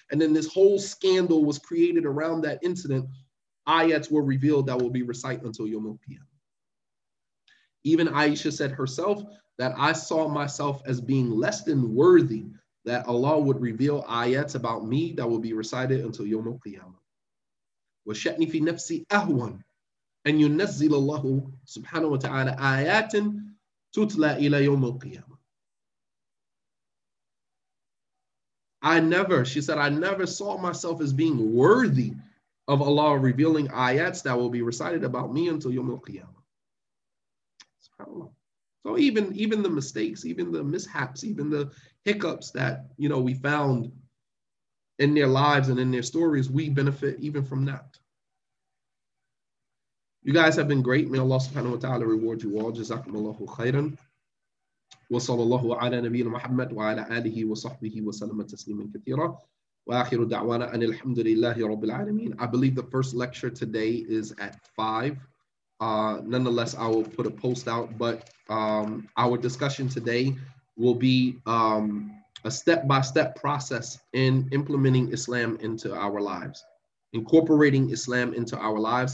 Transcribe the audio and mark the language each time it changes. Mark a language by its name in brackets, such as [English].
[English] And then this whole scandal was created around that incident. Ayats were revealed that will be recited until Yawm al-Qiyamah. Even Aisha said herself that I saw myself as being less than worthy that Allah would reveal ayats about me that will be recited until Yawm al-Qiyamah. [Arabic] أن ينزل الله سبحانه وتعالى آيات تتلى إلى يوم القيامة. [English] She said, I never saw myself as being worthy of Allah revealing ayats that will be recited about me until Yawm al-Qiyamah. SubhanAllah. So even the mistakes, even the mishaps, even the hiccups that, you know, we found in their lives and in their stories, we benefit even from that. You guys have been great. May Allah subhanahu wa ta'ala reward you all. Jazakum Allahu khayran. [Arabic] وصلى الله على نبينا محمد وعلى آله وصحبه وسلم تسليما كثيرا وآخر دعوانا أن الحمد لله رب العالمين. [English] I believe the first lecture today is at 5. Nonetheless, I will put a post out, but our discussion today will be a step-by-step process in implementing Islam into our lives, incorporating Islam into our lives.